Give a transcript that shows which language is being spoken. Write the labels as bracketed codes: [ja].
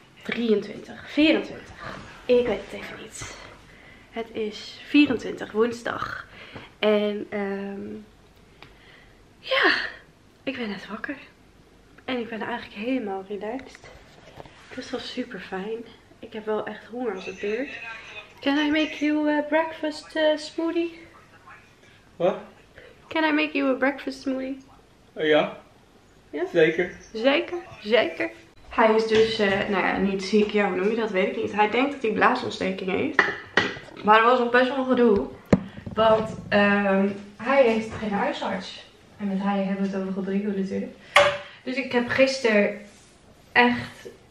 [nl] 23, 24. Ik weet het even niet. Het is 24, woensdag. En ja, ik ben net wakker. En ik ben eigenlijk helemaal relaxed. Dus dat was super fijn. Ik heb wel echt honger als het duurt. [en] Can I make you a breakfast smoothie? What? Can I make you a breakfast smoothie? [nl] Ja. Ja? Zeker. Zeker? Zeker. Hij is dus, nou ja, niet ziek. Ja, hoe noem je dat? Weet ik niet. Hij denkt dat hij blaasontsteking heeft. Maar er was nog best wel gedoe. Want hij heeft geen huisarts. En met hij hebben we het over Rodrigo natuurlijk. Dus ik heb gisteren echt...